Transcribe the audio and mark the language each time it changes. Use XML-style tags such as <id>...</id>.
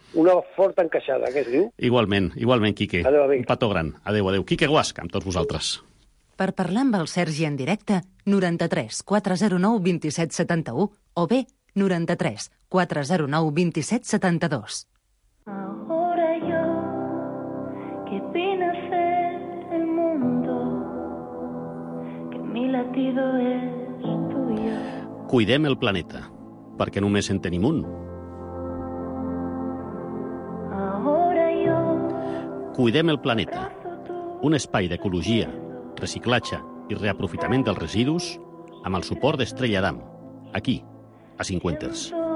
<ca>Una forta encaixada, què es diu? Igualment, Quique. Adéu, amic. Un petó gran. Adéu. Quique Guasch, amb tots vosaltres. Per parlar amb el Sergi en directe, 93 409 2771 o bé 93 409 2772.</ca> <es>Ahora yo, que vine a ser el mundo, que mi latido es tuyo.</es> <ca>Cuidem el planeta, perquè només en tenim un.</ca> <es>Ahora yo,</es> <ca>cuidem el planeta, un espai d'ecologia, reciclatge i reaprofitament dels residus amb el suport d'Estrella Damm, aquí, a 50ers.</ca>